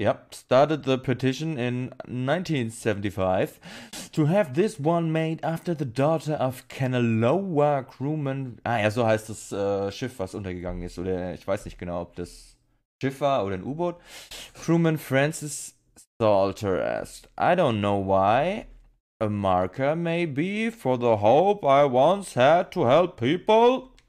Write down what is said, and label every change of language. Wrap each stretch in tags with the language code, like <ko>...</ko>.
<en>Started the petition in 1975 to have this one made after the daughter of Kanaloa crewman.</en> <de>Ah ja, so heißt das Schiff, was untergegangen ist. Oder ich weiß nicht genau, ob das Schiff war oder ein U-Boot.</de> <en>Crewman Francis Salter asked. I don't know why. A marker maybe for the hope I once had to help people.</en>